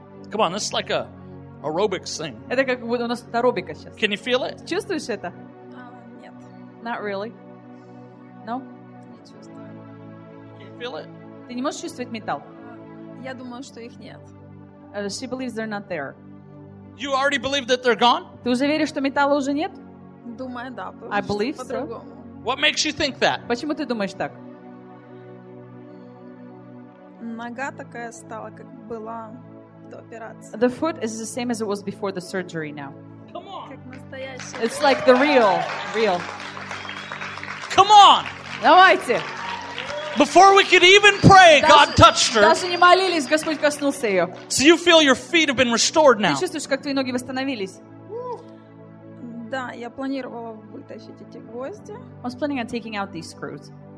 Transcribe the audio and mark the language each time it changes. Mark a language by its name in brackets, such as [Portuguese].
[English] Come on, this is like a aerobics thing. [Russian] Это как у нас аэробика сейчас. [English] Can you feel it? [Russian] Чувствуешь это? Нет. [English] Not really. No? [Russian] Не чувствую. [English] Can you feel it? [Russian] Ты не можешь чувствовать металл? Я думаю, что их нет. [English] She believes they're not there. You already believe that they're gone? [Russian] Ты уже веришь, что металла уже нет? Думаю, да. [English] I believe so. What makes you think that? [Russian] Почему ты думаешь так? Нога такая стала, как была. [English] The foot is the same as it was before the surgery now. Come on. It's like the real. Come on. [Russian] Давайте. [English] Before we could even pray, God touched her. [Russian] Даже не молились, Господь коснулся ее. [English] So you feel your feet have been restored now. [Russian] Ты чувствуешь, как твои ноги восстановились? Да, я планировала вытащить эти гвозди. [English] I was planning on taking out these screws.